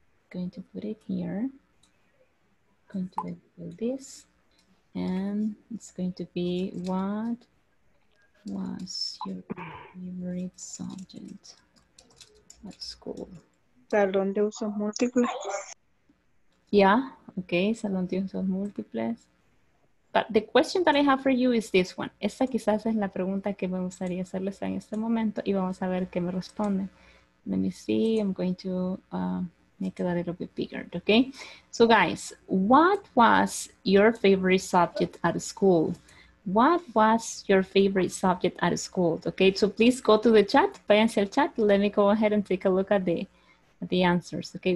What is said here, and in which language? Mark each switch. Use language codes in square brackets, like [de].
[en] Going to put it here. Going to do this, and it's going to be what was your favorite subject at school? [es] Salón de usos múltiples. Yeah. Okay. Salón de usos múltiples. [en] But the question that I have for you is this one. [es] Esta quizás es la pregunta que me gustaría hacerles en este momento, y vamos a ver qué me responden. [en] Let me see. I'm going to. Make it a little bit bigger, okay? So guys, what was your favorite subject at school? What was your favorite subject at school? Okay, so please go to the chat. [es] Váyanse al chat. [en] Let me go ahead and take a look at the answers, okay?